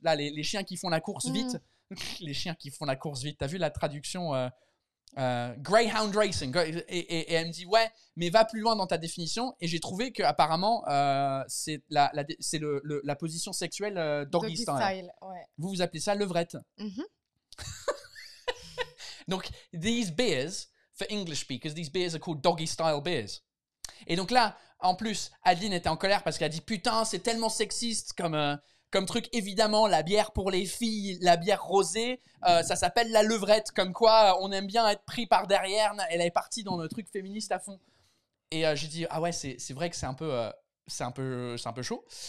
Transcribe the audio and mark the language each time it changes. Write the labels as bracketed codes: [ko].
[fr] Là, les chiens qui font la course vite. Les chiens qui font la course vite. T'as vu la traduction greyhound racing. Et elle me dit, ouais, mais va plus loin dans ta définition. Et j'ai trouvé qu'apparemment, c'est la position sexuelle doggy style. Ouais. Vous appelez ça levrette. [en] Donc, these beers, for English speakers, these beers are called doggy style beers. [fr] Et donc là, en plus, Adeline était en colère parce qu'elle a dit « Putain, c'est tellement sexiste comme truc. Évidemment, la bière pour les filles, la bière rosée, ça s'appelle la levrette. Comme quoi, on aime bien être pris par derrière. » Elle est partie dans le truc féministe à fond. Et j'ai dit « Ah ouais, c'est vrai que c'est un peu chaud.